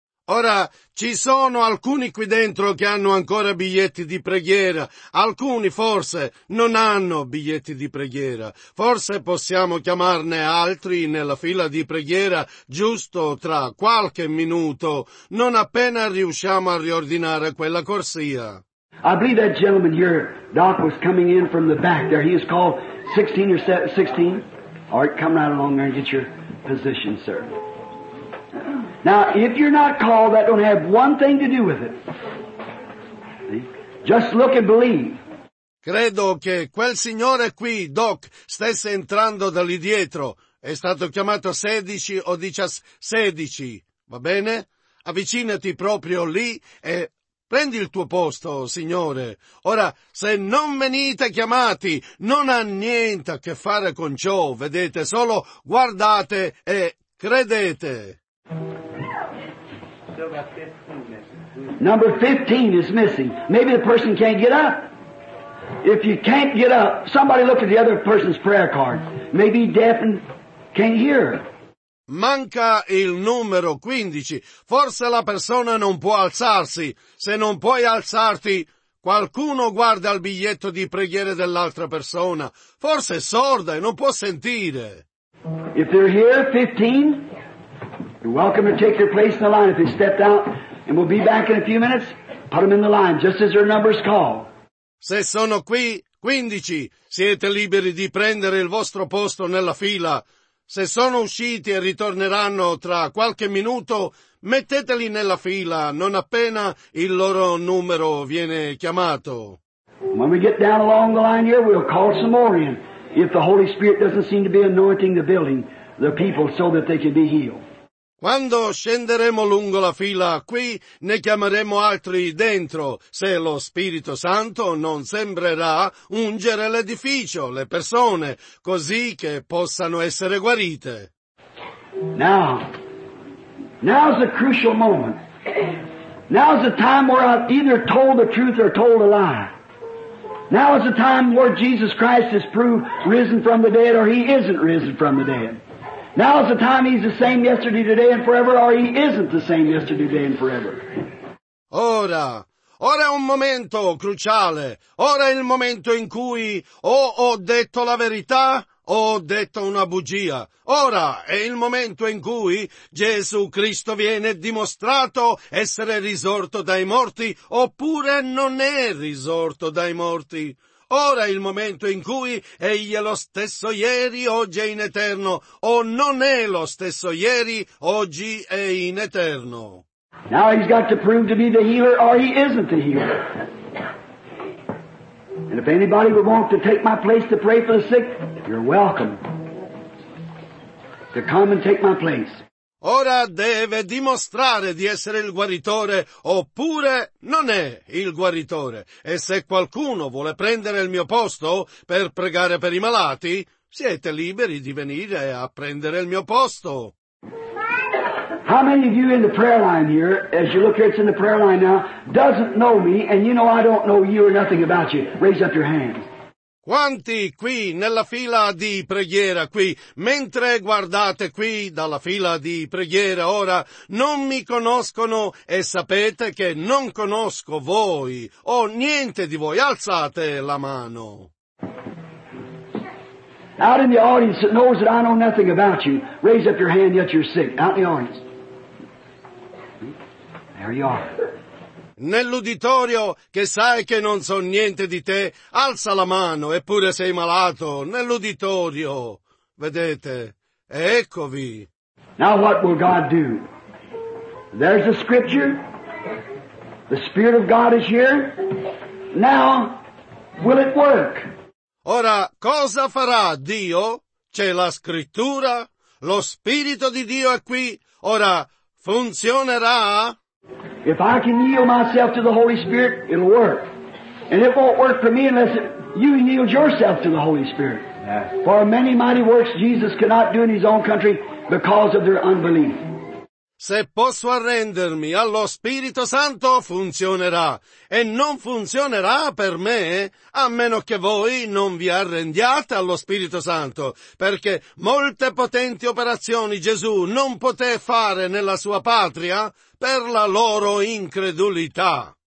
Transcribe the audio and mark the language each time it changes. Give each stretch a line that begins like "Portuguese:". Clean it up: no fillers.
Italian: Ora, ci sono alcuni qui dentro che hanno ancora biglietti di preghiera. Alcuni, forse, non hanno biglietti di preghiera. Forse possiamo chiamarne altri nella fila di preghiera giusto tra qualche minuto, non appena riusciamo a riordinare quella corsia.
English: I believe that gentleman here, Doc, was coming in from the back there. He is called 16 or 16. All right, come right along there and get your position, sir. Now, if you're not called, that don't have one thing to do with it. Just look and believe.
Italian: Credo che quel signore qui, Doc, stesse entrando da lì dietro. È stato chiamato 16 o 16, va bene? Avvicinati proprio lì e prendi il tuo posto, signore. Ora, se non venite chiamati, non ha niente a che fare con ciò, vedete? Solo guardate e credete.
English: Number 15 is missing. Maybe the person can't get up. If you can't get up, somebody look at the other person's prayer card. Maybe deaf and can't hear.
Italian: Manca il numero 15. Forse la persona non può alzarsi. Se non puoi alzarti, qualcuno guarda il biglietto di preghiere dell'altra persona. Forse è sorda e non può sentire.
English: If they're here, 15... You're welcome to take your place in the line if they stepped out, and we'll be back in a few minutes. Put them in the line, just as their numbers call.
Italian: Se sono qui, 15, siete liberi di prendere il vostro posto nella fila. Se sono usciti e ritorneranno tra qualche minuto, metteteli nella fila, non appena il loro numero viene chiamato.
English: When we get down along the line here, we'll call some more in. If the Holy Spirit doesn't seem to be anointing the building, the people, so that they can be healed.
Italian: Quando scenderemo lungo la fila qui, ne chiameremo altri dentro, se lo Spirito Santo non sembrerà ungere l'edificio, le persone, così che possano essere guarite.
English: Now, now's a crucial moment. Now's the time where I've either told the truth or told a lie. Now is the time where Jesus Christ is proved risen from the dead or he isn't risen from the dead. Now is the time he's the same yesterday, today and forever, or he isn't the same yesterday, today and forever.
Italian: Ora, ora è un momento cruciale. Ora è il momento in cui o ho detto la verità o ho detto una bugia. Ora è il momento in cui Gesù Cristo viene dimostrato essere risorto dai morti oppure non è risorto dai morti. ora è il momento in cui egli è lo stesso ieri, oggi e in eterno, o non è lo stesso ieri, oggi e in eterno.
English: Now he's got to prove to be the healer or he isn't the healer. And if anybody would want to take my place to pray for the sick, you're welcome to come and take my place.
Italian: Ora deve dimostrare di essere il guaritore, oppure non è il guaritore. E se qualcuno vuole prendere il mio posto per pregare per i malati, siete liberi di venire a prendere il mio posto.
English: How many of you in the prayer line here, as you look here, it's in the prayer line now, doesn't know me, and you know I don't know you or nothing about you? Raise up your hand.
Italian: Quanti qui nella fila di preghiera qui, mentre guardate qui dalla fila di preghiera ora, non mi conoscono e sapete che non conosco voi o niente di voi? Alzate la mano.
English: Out in the audience that knows that I know nothing about you, raise up your hand yet you're sick. Out in the audience. There you are.
Italian: Nell'uditorio che sai che non so niente di te, alza la mano, eppure sei malato. Nell'uditorio, vedete, eccovi.
English: Now what will God do? There's the scripture. The Spirit of God is here. Now, will it work?
Italian: Ora, cosa farà Dio? C'è la scrittura. Lo Spirito di Dio è qui. Ora, funzionerà?
English: If I can yield myself to the Holy Spirit, it'll work. And it won't work for me unless you yield yourself to the Holy Spirit. Yes. For many mighty works Jesus cannot do in his own country because of their unbelief.
Italian: Se posso arrendermi allo Spirito Santo, funzionerà. E non funzionerà per me, a meno che voi non vi arrendiate allo Spirito Santo, perché molte potenti operazioni Gesù non poté fare nella sua patria per la loro incredulità.